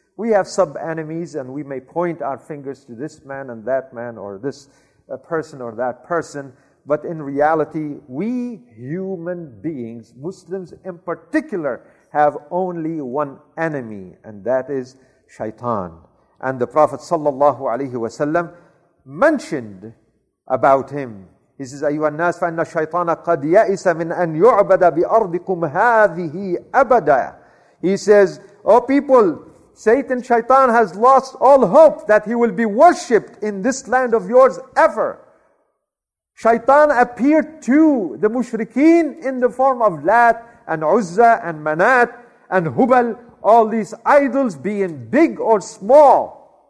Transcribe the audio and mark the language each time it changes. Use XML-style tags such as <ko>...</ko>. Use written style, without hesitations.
<en>We have sub-enemies, and we may point our fingers to this man and that man, or this person or that person, But in reality, we human beings, Muslims in particular, have only one enemy, and that is shaitan. And the Prophet sallallahu alayhi wa sallam mentioned about him. He says,</en> <ar>أَيُّهَا النَّاسِ فَإِنَّ الشَّيْطَانَ قَدْ يَأِسَ مِنْ أَنْ يُعْبَدَ بِأَرْضِكُمْ هَذِهِ أَبَدًا.</ar> <en>He says, oh people, Satan, shaitan has lost all hope that he will be worshipped in this land of yours ever. Shaitan appeared to the mushrikeen in the form of Lat and Uzza and Manat and Hubal, all these idols, being big or small.</en>